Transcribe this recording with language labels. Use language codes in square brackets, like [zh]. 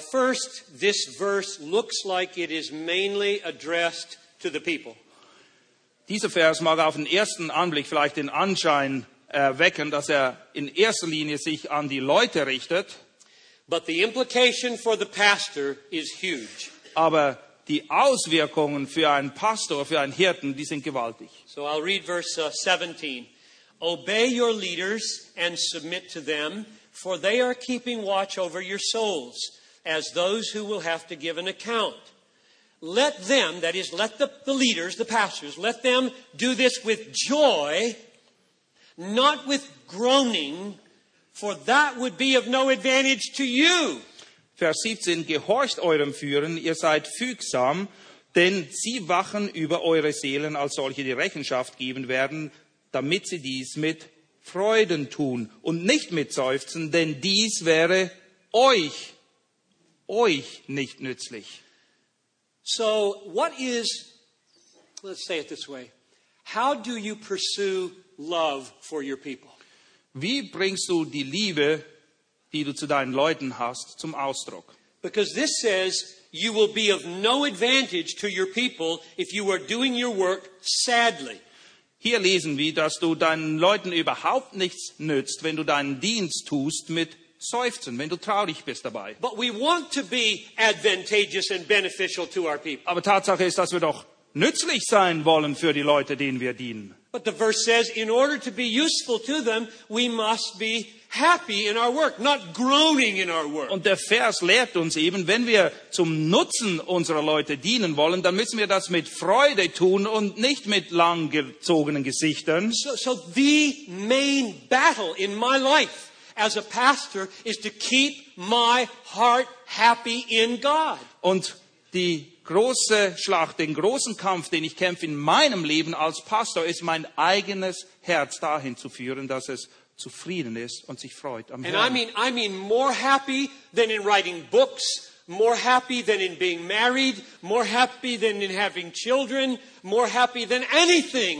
[en] first, this verse looks like it is mainly addressed to the people. [de] Dieser Vers mag auf den ersten Anblick vielleicht den Anschein erwecken, dass er in erster Linie sich an die Leute richtet. [en] But the implication for the pastor is huge. [de] Aber die Auswirkungen für einen Pastor, für einen Hirten, die sind gewaltig. [en] So I'll read verse 17. Obey your leaders and submit to them, for they are keeping watch over your souls, as those who will have to give an account. Let them, that is, let the leaders, the pastors, let them do this with joy, not with groaning, for that would be of no advantage to you. [de] Vers 17, gehorcht eurem Führern, ihr seid fügsam, denn sie wachen über eure Seelen, als solche die Rechenschaft geben werden, damit sie dies mit Freuden tun und nicht mit Seufzen, denn dies wäre euch nicht nützlich. [en] So what is, let's say it this way, how do you pursue love for your people? [de] Wie bringst du die Liebe, die du zu deinen Leuten hast, zum Ausdruck? [en] Because this says you will be of no advantage to your people if you are doing your work sadly. [de] Hier lesen wir, dass du deinen Leuten überhaupt nichts nützt, wenn du deinen Dienst tust mit Seufzen, wenn du traurig bist dabei. [en] But we want to be advantageous and beneficial to our people. [de] Aber Tatsache ist, dass wir doch nützlich sein wollen für die Leute, denen wir dienen. [en] But the verse says, in order to be useful to them, we must be happy in our work, not groaning in our work. [de] Und der Vers lehrt uns eben, wenn wir zum Nutzen unserer Leute dienen wollen, dann müssen wir das mit Freude tun und nicht mit langgezogenen Gesichtern. [en] So the main battle in my life as a pastor is to keep my heart happy in God. [de] Und die große Schlacht, den großen Kampf, den ich kämpfe in meinem Leben als Pastor, ist mein eigenes Herz dahin zu führen, dass es zufrieden ist und sich freut am Herrn. [en] And I mean more happy than in writing books, more happy than in being married, more happy than in having children, more happy than anything.